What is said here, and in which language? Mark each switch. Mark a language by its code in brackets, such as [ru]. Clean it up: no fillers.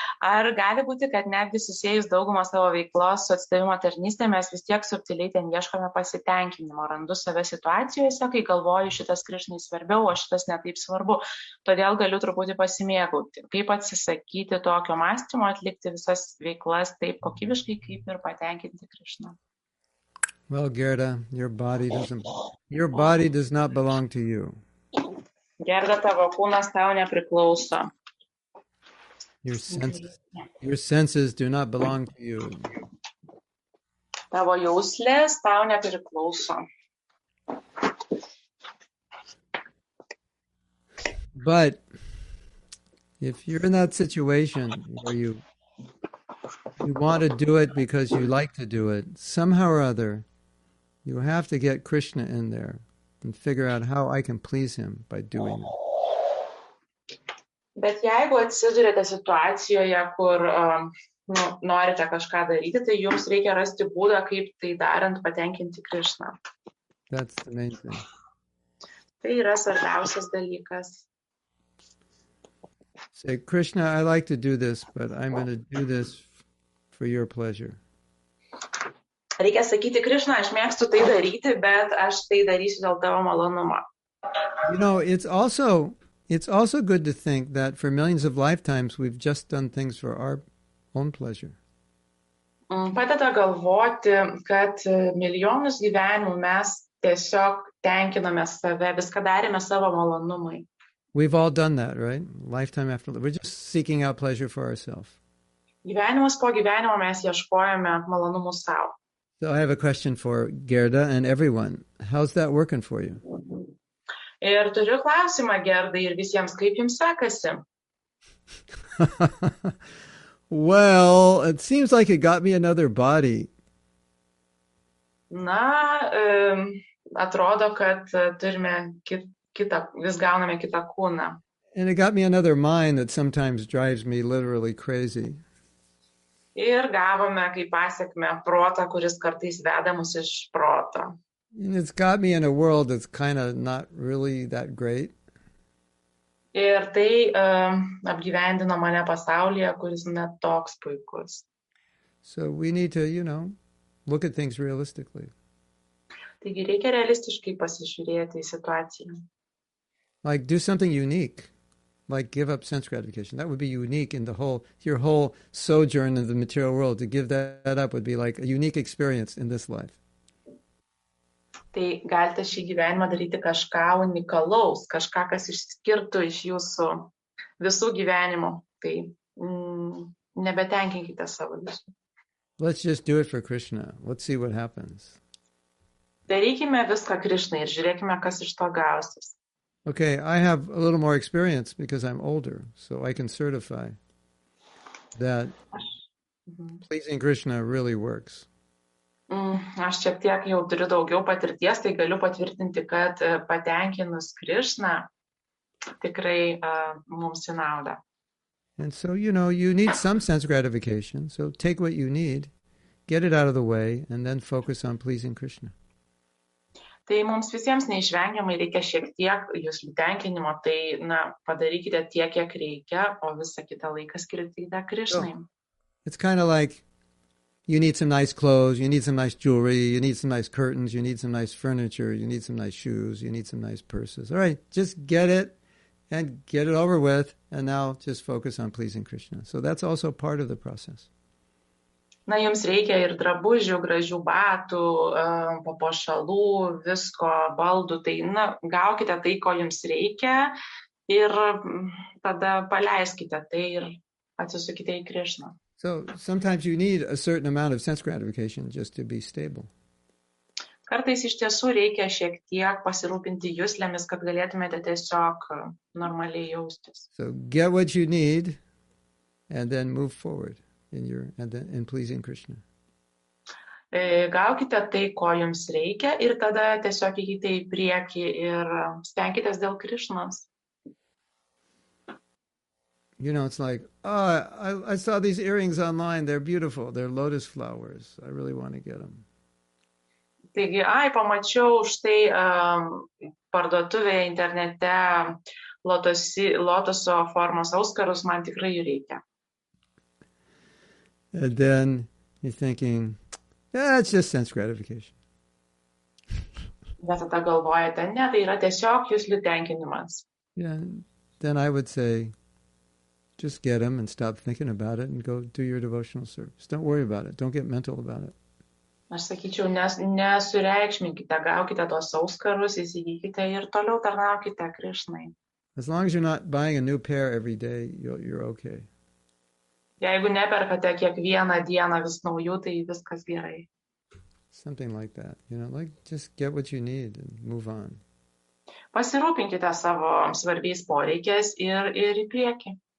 [lt] Ar gali būti, kad netgi susijęs daugumą savo veiklos su atstavimo tarnystė, mes vis tiek subtiliai ten ieškome pasitenkinimo, randu save situacijose, kai galvoju, šitas Krišnai svarbiau, o šitas netaip svarbu. Todėl galiu truputį pasimėgauti. Kaip atsisakyti tokio mąstymo, atlikti visas veiklas taip kokybiškai, kaip ir patenkinti Krišną. [en] Well, Gerda, your body does not belong to you. [lt] Gerda, tavo kūnas tau nepriklauso. [en] Your senses do not belong to you. [lt] Tavo jauslės tau nepriklauso. [en] But if you're in that situation where you want to do it because you like to do it, somehow or other, You have to get Krishna in there and figure out how I can please him by doing it. [lt] Bet jeigu atsidurėte situacijoje, kur norite kažką daryti, tai jums reikia rasti būdą, kaip tai darant, patenkinti Krishna. [en] That's the main thing. [lt] Tai yra svarbiausias dalykas. [en] Say, Krishna, I like to do this, but I'm going to do this for your pleasure. [lt] Reikia sakyti, Krishna, aš mėgstu tai daryti, bet aš tai darysiu dėl tavo malonumo. [en] You know, it's also good to think that for millions of lifetimes we've just done things for our own pleasure. [lt] Padeda galvoti, kad milijonus gyvenimų mes tiesiog tenkiname save, viską darėme savo malonumui. [en] We've all done that, right? Lifetime after life. We're just seeking out pleasure for ourselves. [lt] Gyvenimas po gyvenimo mes ieškojame malonumų sau. [en] So I have a question for Gerda and everyone. How's that working for you? [lt] Ir turiu klausimą, Gerda, ir visiems, kaip jums sekasi? [en] Well, it seems like it got me another body. [lt] Na, atrodo, kad turime kitą, vis gauname kitą kūną. [en] And it got me another mind that sometimes drives me literally crazy. [lt] Ir gavome, kaip pasiekme, protą, kuris kartais veda mus iš proto. [en] And it's got me in a world that's kind of not really that great. [lt] Ir tai apgyvendino mane pasaulyje, kuris net toks puikus. [en] So we need to, you know, look at things realistically. [lt] Taigi reikia realistiškai pasižiūrėti į situaciją. [en] Like do something unique. Like give up sense gratification. That would be unique in the whole, your whole sojourn in the material world. To give that up would be like a unique experience in this life. [lt] Tai galite šį gyvenimą daryti kažką unikalaus, kažką, kas išskirtų iš jūsų visų gyvenimų. Tai nebetenkinkite savo visų. [en] Let's just do it for Krishna. Let's see what happens. [lt] Darykime viską Krishna ir žiūrėkime, kas iš to gausis. [en] Okay, I have a little more experience because I'm older, so I can certify that pleasing Krishna really works. [lt] Aš šiek tiek jau turiu daugiau patirties, tai galiu patvirtinti, kad patenkinus Krishna tikrai mums į naudą. [en] And so, you know, you need some sense gratification, so take what you need, get it out of the way, and then focus on pleasing Krishna. [lt] Tai mums visiems neišvengiamai reikia šiek tiek jūs tenkinimo, tai na, padarykite tiek, kiek reikia, o visą kitą laiką skirtite Krishnai. [en] It's kind of like you need some nice clothes, you need some nice jewelry, you need some nice curtains, you need some nice furniture, you need some nice shoes, you need some nice purses. All right, just get it and get it over with and now just focus on pleasing Krishna. So that's also part of the process. [lt] Na, jums reikia ir drabužių, gražių batų, papuošalų, visko, baldų. Tai, na, gaukite tai, ko jums reikia ir tada paleiskite tai ir atsisukite į Krishna. [en] So, sometimes you need a certain amount of sense gratification just to be stable. [lt] Kartais iš tiesų reikia šiek tiek pasirūpinti juslėmis, kad galėtumėte tiesiog normaliai jaustis. [en] So, get what you need and then move forward in pleasing Krishna. [lt] Gaukite tai, ko jums reikia ir tada tiesiog eikite į priekį ir stenkitės dėl Krishnos. [en] You know, it's like, oh, I saw these earrings online. They're beautiful. They're lotus flowers. I really want to get them. [lt] Taigi, ai, pamačiau štai parduotuvėje internete lotuso formos auskarus. Man tikrai jų reikia. [en] And then you're thinking, yeah, it's just sense gratification. [lt] Bet tada galvojate, ne, tai yra tiesiog juslių tenkinimas. [en] Yeah, then I would say, just get them and stop thinking about it and go do your devotional service. Don't worry about it. Don't get mental about it. [lt] Aš sakyčiau, nesureikšminkite, gaukite tuos auskarus, įsigykite ir toliau tarnaukite Krishnai. [en] As long as you're not buying a new pair every day, you're okay. [lt] Jeigu neperkate kiekvieną dieną vis naujų, tai viskas gerai. [en] Something like that. You know, like just get what you need and move on. [lt] Pasirūpinkite savo svarbiais poreikiais ir į priekį.